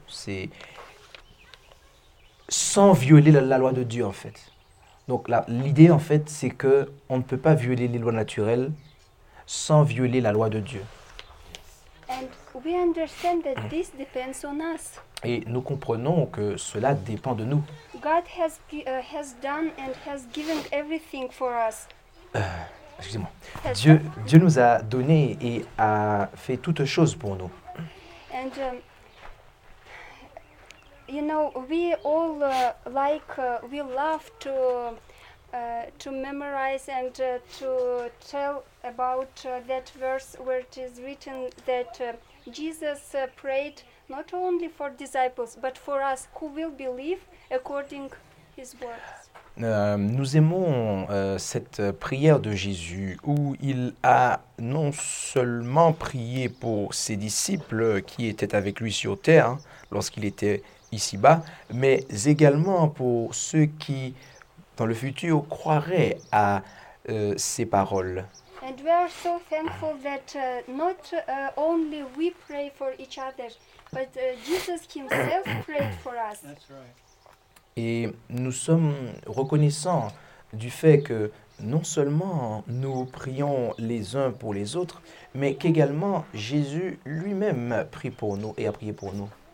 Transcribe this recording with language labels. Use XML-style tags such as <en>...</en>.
<fr>C'est sans violer la loi de Dieu, en fait. Donc, l'idée, en fait, c'est qu'on ne peut pas violer les lois naturelles sans violer la loi de Dieu.</fr> <en>And we understand that this depends on us.</en> <fr>Et nous comprenons que cela dépend de nous.</fr> <en>God has done and has given everything for us.</en> <fr>Excusez-moi. Dieu nous a donné et a fait toutes choses pour nous.</fr> <en>And, you know, we all we love to memorize and to tell about that verse where it is written that Jesus prayed not only for disciples but for us who will believe according his words.</en> <fr>Nous aimons cette prière de Jésus où il a non seulement prié pour ses disciples qui étaient avec lui sur terre lorsqu'il était ici-bas, mais également pour ceux qui, dans le futur, croiraient à ces paroles.</fr> <en>And we are so thankful that not only we pray for each other, but Jesus himself prayed for us. That's right.</en> <fr>Et nous sommes reconnaissants du fait que non seulement nous prions les uns pour les autres, mais qu'également Jésus lui-même prie pour nous et a prié pour nous.</fr>